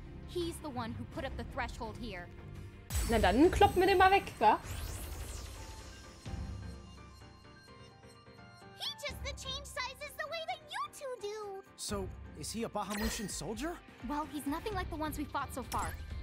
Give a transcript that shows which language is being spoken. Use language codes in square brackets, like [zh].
[en] He's the one who put up the threshold here. [de] Na dann kloppen wir den mal weg, wa? [en] He just the change sizes the way that you two do. So, is he a Bahamutian soldier? Well, he's nothing like the ones we fought so far.